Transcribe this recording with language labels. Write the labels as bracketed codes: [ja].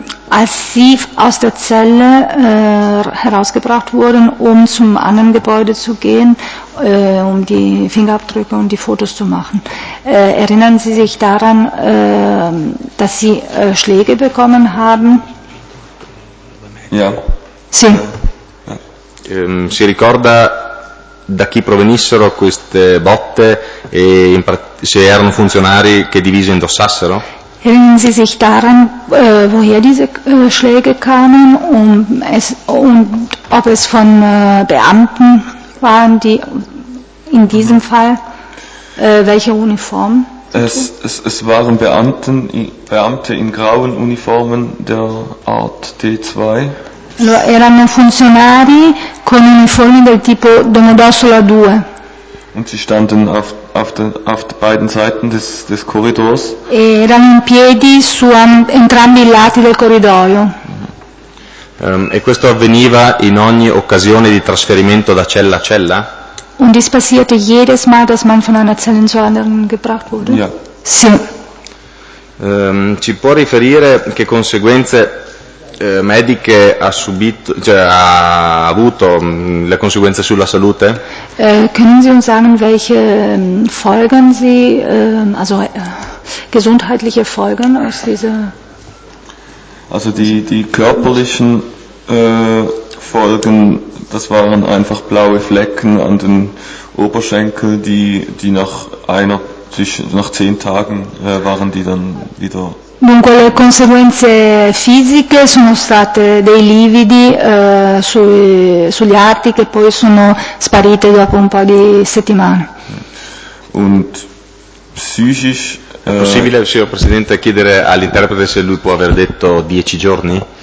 [de] als sie aus der Zelle herausgebracht wurden, um zum anderen Gebäude zu gehen, um die Fingerabdrücke und die Fotos zu machen. Erinnern Sie sich daran, dass Sie Schläge bekommen haben? Ja. [it] Sì. Si ricorda da chi provenissero queste botte e se erano funzionari che divise indossassero? [de] Erinnern Sie sich daran, woher diese Schläge kamen und ob es von Beamten waren, die in diesem Fall welche Uniform? Es waren Beamte in grauen Uniformen der Art D2. [it] Allora, erano funzionari con uniformi del tipo Domodossola 2. [de] Und sie standen auf beiden Seiten des corridors. [it] E erano in piedi su entrambi i lati del corridoio. E questo avveniva in ogni occasione di trasferimento da cella a cella? [de] Und dies passierte jedes Mal, dass man von einer Zelle zur anderen gebracht wurde? Ja. [it] Sì. Ci può riferire che conseguenze mediche ha subito, cioè ha avuto le conseguenze sulla salute? [de] Können Sie uns sagen, welche Folgen Sie, also gesundheitliche Folgen aus dieser? Also die körperlichen Folgen, das waren einfach blaue Flecken an den Oberschenkel, die nach 10 Tagen waren die dann wieder. [it] Dunque le conseguenze fisiche sono state dei lividi sugli arti che poi sono sparite dopo un po' di settimane. [de] Und psychisch, [it] è possibile, signor Presidente, chiedere all'interprete se lui può aver detto 10 giorni?